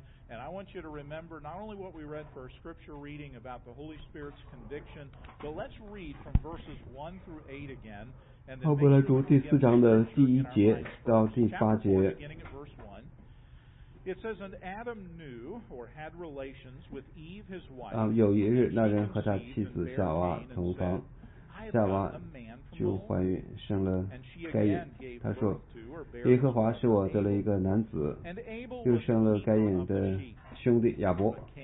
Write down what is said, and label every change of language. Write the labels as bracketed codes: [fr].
[en] And I want you to remember not only what we read for our scripture reading about the Holy Spirit's conviction, but let's read from verses 1 through 8 again. [zh] 我们来读第四章的第一节到第八节。 [en] It says, and Adam knew or had relations with Eve, his wife. [zh] 有一日，那人和他妻子夏娃同房，夏娃就怀孕，生了该隐。他说，耶和华使我得了一个男子，又生了该隐的兄弟亚伯。